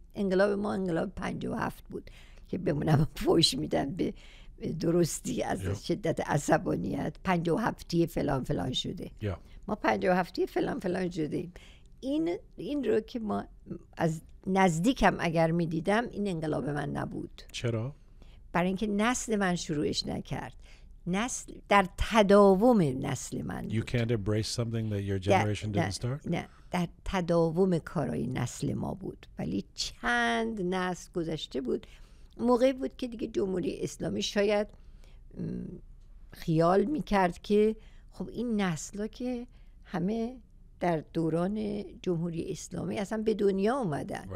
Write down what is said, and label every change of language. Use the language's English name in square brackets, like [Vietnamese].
[Persian] انقلاب ما انقلاب 57 بود که بمونم فوش میدم به درستی از شدت عصبانیت 57 فلان فلان شده. ما 57 فلان فلان شدیم. این رو که ما از نزدیکم اگر میدیدم این انقلاب من نبود. چرا؟ برای اینکه نسل من شروعش نکرد. نسل در تداوم نسل من بود. [English] You can't embrace something that your generation didn't start. [Persian] نه، در تداوم کارهای نسل ما بود. ولی چند نسل گذشته بود. موقعی بود که دیگه جمهوری اسلامی شاید خیال میکرد که خب این نسل ها که همه در دوران جمهوری اسلامی اصلا به دنیا اومدن.